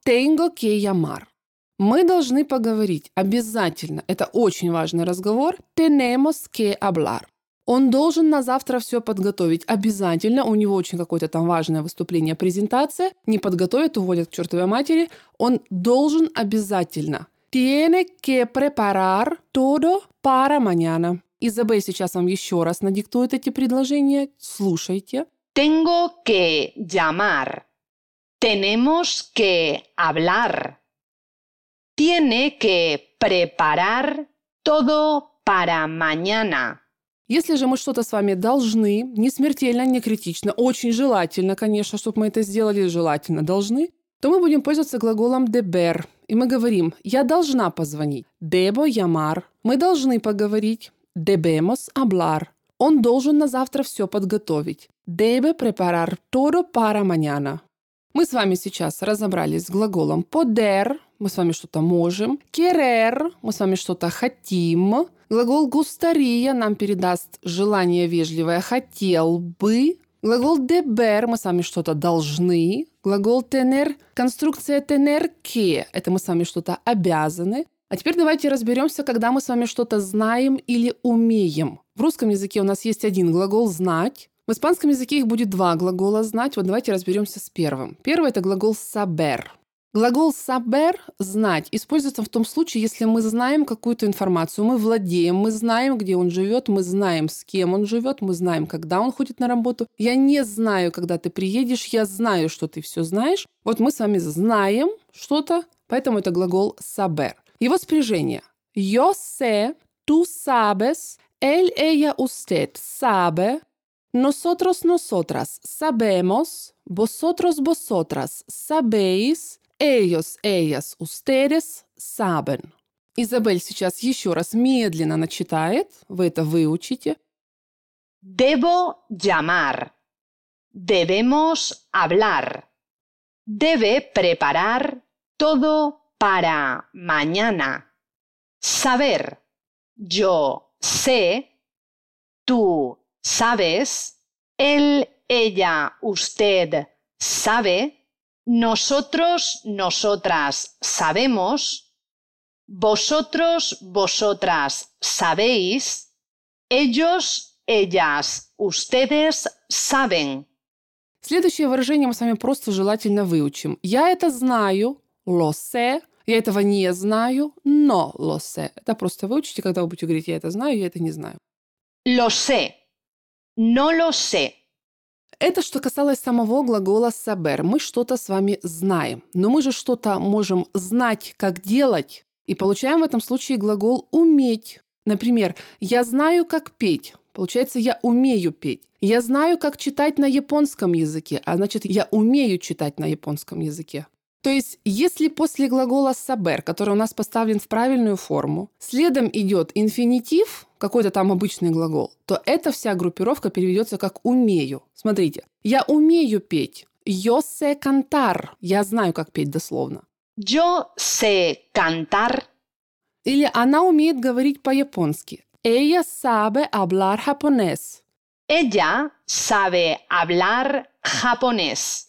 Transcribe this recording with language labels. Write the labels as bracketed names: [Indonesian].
[Spanish] Tengo que llamar. [Russian] Мы должны поговорить обязательно. Это очень важный разговор. [Spanish] Tenemos que hablar. [Russian] Он должен на завтра все подготовить обязательно. У него очень какое-то там важное выступление, презентация. Не подготовит, уводят к чертовой матери. Он должен обязательно. [Spanish] Tiene que preparar todo para mañana. [Russian] Изабель сейчас вам еще раз надиктует эти предложения. Слушайте. [Spanish] Tengo que llamar. Tenemos que hablar. Tiene que preparar todo para mañana. [Russian] Если же мы что-то с вами должны, не смертельно, не критично, очень желательно, конечно, чтобы мы это сделали, желательно должны, то мы будем пользоваться глаголом deber. И мы говорим, я должна позвонить. [Spanish] Debo llamar. [Russian] Мы должны поговорить. [Spanish] Debemos hablar. [Russian] Он должен на завтра все подготовить. [Spanish] Debe preparar todo para mañana. [Russian] Мы с вами сейчас разобрались с глаголом poder. Мы с вами что-то можем. Querer. Мы с вами что-то хотим. Глагол gustaría нам передаст желание вежливое «хотел бы». Глагол deber. Мы с вами что-то должны. Глагол tener. Конструкция tener que. Это мы с вами что-то обязаны. А теперь давайте разберемся, когда мы с вами что-то знаем или умеем. В русском языке у нас есть один глагол «знать». В испанском языке их будет два глагола «знать». Вот давайте разберемся с первым. Первый – это глагол saber. Глагол saber – знать – используется в том случае, если мы знаем какую-то информацию. Мы владеем, мы знаем, где он живет, мы знаем, с кем он живет, мы знаем, когда он ходит на работу. Я не знаю, когда ты приедешь, я знаю, что ты все знаешь. Вот мы с вами знаем что-то, поэтому это глагол saber. Его спряжение. [Spanish] Yo sé, tú sabes, él, ella, usted sabe. Nosotros, nosotras sabemos. Vosotros, vosotras sabéis. Ellos, ellas, ustedes saben. [Russian] Изабель сейчас еще раз медленно начитает. Вы это выучите. [Spanish] Debo llamar. Debemos hablar. Debe preparar todo para mañana. Saber. Yo sé. Tú sabes. Él, ella, usted sabe. Nosotros, nosotras sabemos. Vosotros, vosotras sabéis. Ellos, ellas, ustedes saben. [Russian] Следующее выражение мы с вами просто желательно выучим. Я это знаю, [Spanish] lo sé. [Russian] Я этого не знаю, но [Spanish] lo sé. [Russian] Это просто выучите, когда вы будете говорить, я это знаю, я это не знаю. [Spanish] Lo sé. No lo sé. [Russian] Это что касалось самого глагола saber. Мы что-то с вами знаем. Но мы же что-то можем знать, как делать. И получаем в этом случае глагол уметь. Например, я знаю, как петь. Получается, я умею петь. Я знаю, как читать на японском языке. А значит, я умею читать на японском языке. То есть, если после глагола saber, который у нас поставлен в правильную форму, следом идет инфинитив, какой-то там обычный глагол, то эта вся группировка переведется как «умею». Смотрите, я умею петь. [Spanish] Yo sé cantar. [Russian] Я знаю, как петь дословно. [Spanish] Yo sé cantar. [Russian] Или она умеет говорить по-японски. [Spanish] Ella sabe hablar japonés. Ella sabe hablar japonés.